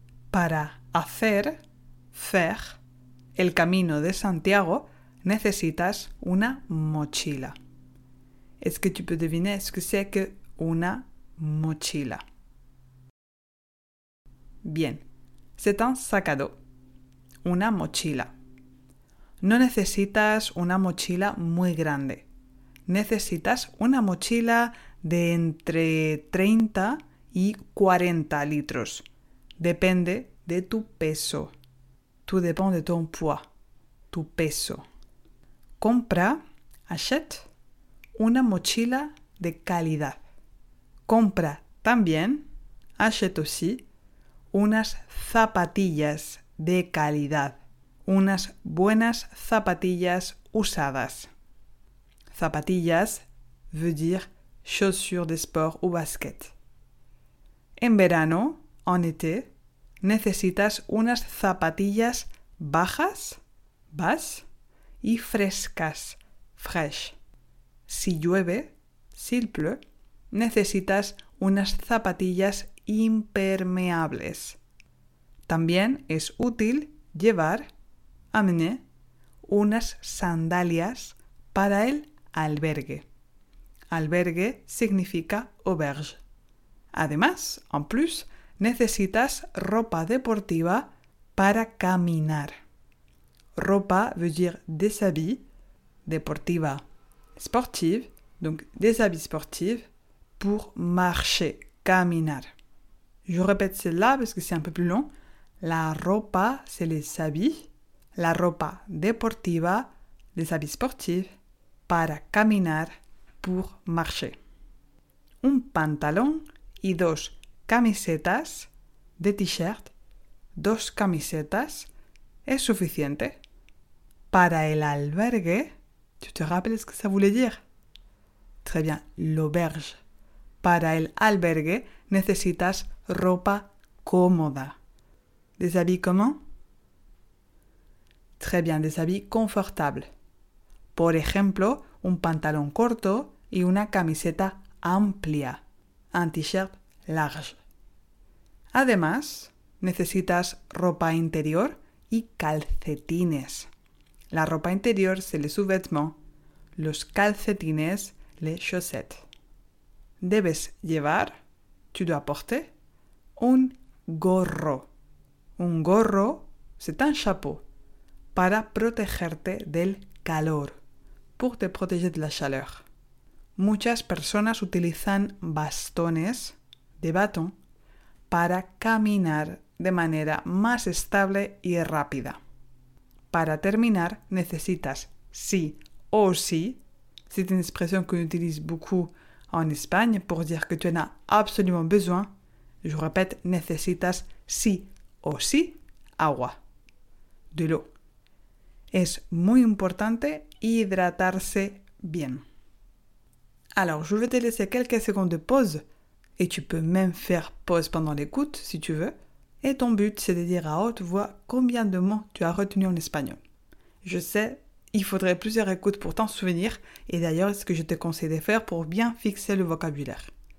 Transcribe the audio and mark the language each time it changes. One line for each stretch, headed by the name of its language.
Spanish: Para hacer, fer, el camino de Santiago, necesitas una mochila.
French: Est-ce que tu peux deviner ce que c'est que
Spanish: una mochila?
French: Bien, c'est un sac à dos.
Spanish: Una mochila. No necesitas una mochila muy grande. Necesitas una mochila de entre 30 y 40 litros. Depende de tu peso.
French: Tout dépend de ton poids.
Spanish: Tu peso. Compra,
French: achète,
Spanish: una mochila de calidad. Compra también,
French: achète aussi,
Spanish: unas zapatillas de calidad. Unas buenas zapatillas usadas.
French: Zapatillas veut dire chaussures de sport ou basket.
Spanish: En verano,
French: en été,
Spanish: necesitas unas zapatillas bajas,
French: bas,
Spanish: y frescas,
French: fraîches.
Spanish: Si llueve,
French: s'il pleut,
Spanish: necesitas unas zapatillas impermeables. También es útil llevar,
French: amener,
Spanish: unas sandalias para el albergue. Albergue significa auberge. Además,
French: en plus,
Spanish: necesitas ropa deportiva para caminar.
French: Ropa veut dire des habits, deportiva, sportive, donc des habits sportifs, pour marcher, caminar. Je répète celle-là parce que c'est un peu plus long. La ropa, c'est les habits.
Spanish: La ropa deportiva,
French: les habits sportifs,
Spanish: para caminar,
French: pour marcher.
Spanish: Un pantalón y dos camisetas,
French: de t-shirt,
Spanish: dos camisetas, es suficiente. Para el albergue,
French: tu te rappelles ce que ça voulait dire? Très bien, l'auberge.
Spanish: Para el albergue, necesitas ropa cómoda.
French: Des habits comment? Très bien, des habits confortables.
Spanish: Por ejemplo, un pantalón corto y una camiseta amplia. Un t-shirt large. Además, necesitas ropa interior y calcetines. La ropa interior,
French: c'est les sous-vêtements.
Spanish: Los calcetines,
French: les chaussettes.
Spanish: Debes llevar,
French: tu dois porter,
Spanish: un gorro. Un gorro,
French: c'est un chapeau,
Spanish: para protegerte del calor,
French: pour te protéger de la chaleur.
Spanish: Muchas personas utilizan bastones,
French: de bâton,
Spanish: para caminar de manera más estable y rápida. Para terminar, necesitas sí o sí.
French: C'est une expression qu'on utilise beaucoup en Espagne pour dire que tu en as absolument besoin. Je répète,
Spanish: necesitas sí o sí agua,
French: de l'eau.
Spanish: Es muy importante hidratarse bien.
French: Alors, je vais te laisser quelques secondes de pause et tu peux même faire pause pendant l'écoute si tu veux. Et ton but, c'est de dire à haute voix combien de mots tu as retenu en espagnol. Je sais, il faudrait plusieurs écoutes pour t'en souvenir, et d'ailleurs, c'est ce que je te conseille de faire pour bien fixer le vocabulaire.